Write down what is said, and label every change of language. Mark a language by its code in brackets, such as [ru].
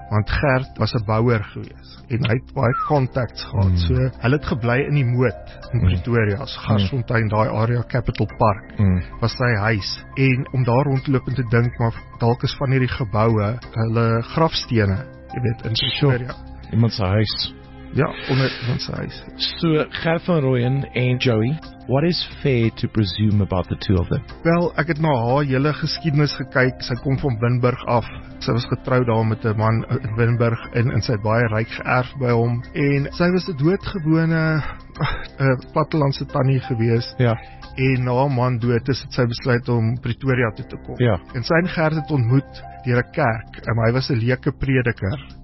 [af] Want Gert was 'n bouer gewees en hy het baie contacts gehad. Mm. So hulle het gebly in die Moot in Pretoria, as Garsfontein, daai area Capital Park. Mm. Was sy huis en om daar rondloop en te dink maar dalk is van hierdie geboue hulle grafstene, jy weet, in Pretoria. Sure. Iemand se huis. Ja, onder sy huis. [en] So Gert van Rooyen en Joey, what is fair to presume about the two of them? [af] Wel, ek het na haar hele geskiedenis gekyk. Sy kom van Winburg af. Sy was getroud daar met 'n man in Winburg en sy het baie ryk geërf by hom. En sy was 'n doodgewone plattelandse tannie gewees. Ja. En na haar man dood is het sy besluit om Pretoria toe te kom. Ja. En sy en Gert het ontmoet deur 'n kerk. En hy was 'n leuke prediker.